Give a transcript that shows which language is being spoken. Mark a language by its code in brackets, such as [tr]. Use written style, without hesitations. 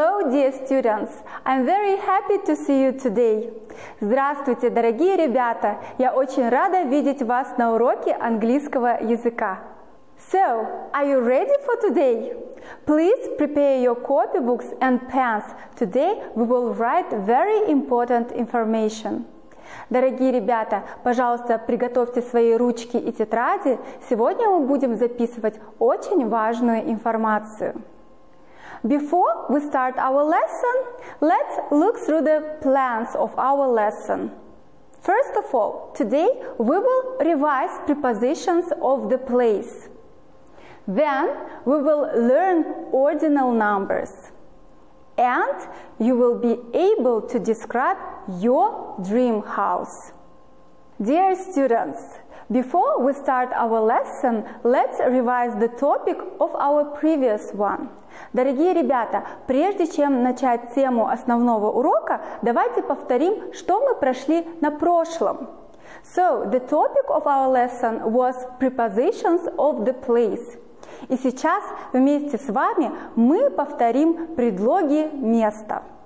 [en] dear students, I'm very happy to see you today. [ru] Здравствуйте, дорогие ребята! Я очень рада видеть вас на уроке английского языка. [en] So, are you ready for today? Please prepare your copybooks and pens. Today we will write very important information. [ru] Дорогие ребята, пожалуйста, приготовьте свои ручки и тетради. Сегодня мы будем записывать очень важную информацию. [en] Before we start our lesson, let's look through the plans of our lesson. First of all, today we will revise prepositions of the place. Then we will learn ordinal numbers. And you will be able to describe your dream house. Dear students, before we start our lesson, let's revise the topic of our previous one. [ru] Дорогие ребята, прежде чем начать тему основного урока, давайте повторим, что мы прошли на прошлом. [en] So, the topic of our lesson was prepositions of the place. [ru] И сейчас вместе с вами мы повторим предлоги места.